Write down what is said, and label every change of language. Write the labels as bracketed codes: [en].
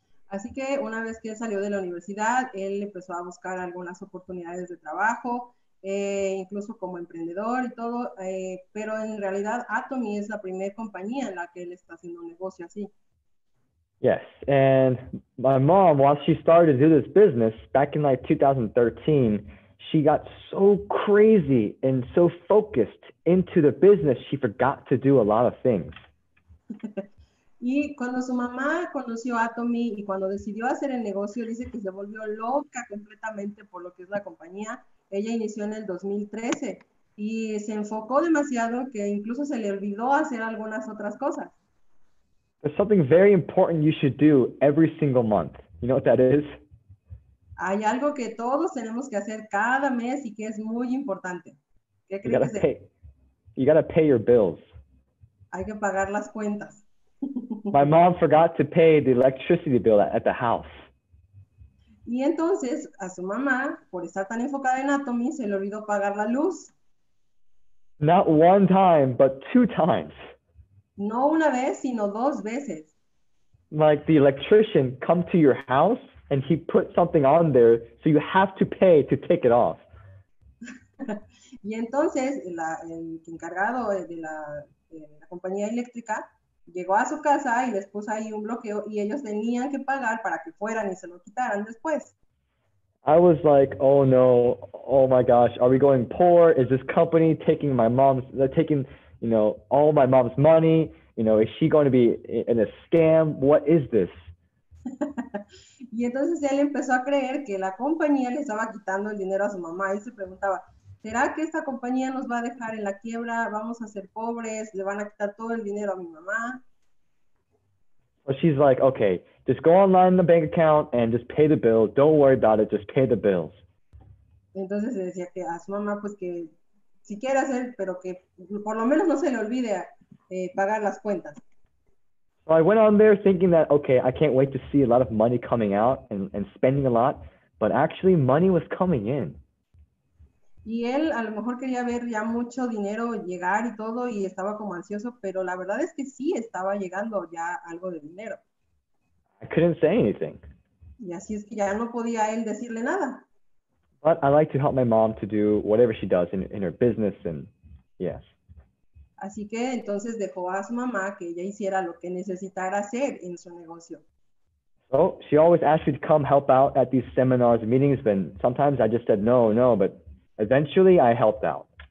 [es] Así que una vez que él salió de la universidad, él empezó a buscar algunas oportunidades de trabajo, incluso como emprendedor y todo, pero en realidad Atomy es la primera compañía en la que él está haciendo un negocio así. [en] Yes, and my mom, while she started to do this business back in like 2013, she got so crazy and so focused into the business, she forgot to do a lot of things. [es] Y cuando su mamá conoció a Atomy y cuando decidió hacer el negocio, dice que se volvió loca completamente por lo que es la compañía. Ella inició en el 2013 y se enfocó demasiado que incluso se le olvidó hacer algunas otras cosas. [en] There's something very important you should do every single month. You know what that is? [es] Hay algo que todos tenemos que hacer cada mes y que es muy importante. ¿Qué crees? [en] You gotta pay your bills. [es] Hay que pagar las cuentas. [en] My mom forgot to pay the electricity bill at the house. [es] Y entonces, a su mamá, por estar tan enfocada en Atomy, se le olvidó pagar la luz. [en] Not one time, but two times. [es] No una vez, sino dos veces. [en] Like the electrician come to your house and he put something on there, so you have to pay to take it off. [es] Y entonces, el encargado de la compañía eléctrica llegó a su casa y les puso ahí un bloqueo y ellos tenían que pagar para que fueran y se lo quitaran después. [en] I was like, oh no, oh my gosh, are we going poor? Is this company taking my mom's, taking, you know, all my mom's money? You know, is she going to be in a scam? What is this? [es] Y entonces él empezó a creer que la compañía le estaba quitando el dinero a su mamá y se preguntaba, ¿será que esta compañía nos va a dejar en la quiebra? ¿Vamos a ser pobres? ¿Le van a quitar todo el dinero a mi mamá? [en] Well, she's like, okay, just go online in the bank account and just pay the bills. Don't worry about it, just pay the bills. [es] Entonces le decía que a su mamá, pues que si quiere hacer, pero que por lo menos no se le olvide pagar las cuentas. [en] So I went on there thinking that, okay, I can't wait to see a lot of money coming out and spending a lot, but actually money was coming in. [es] Y él a lo mejor quería ver ya mucho dinero llegar y todo y estaba como ansioso, pero la verdad es que sí estaba llegando ya algo de dinero. [en] I couldn't say anything. [es] Y así es que ya no podía él decirle nada. [en] But I like to help my mom to do whatever she does in her business and yes. [es] Así que entonces dejó a su mamá que ella hiciera lo que necesitara hacer en su negocio. [en] So she always asked me to come help out at these seminars and meetings, but sometimes I just said no, no, but eventually, I helped out.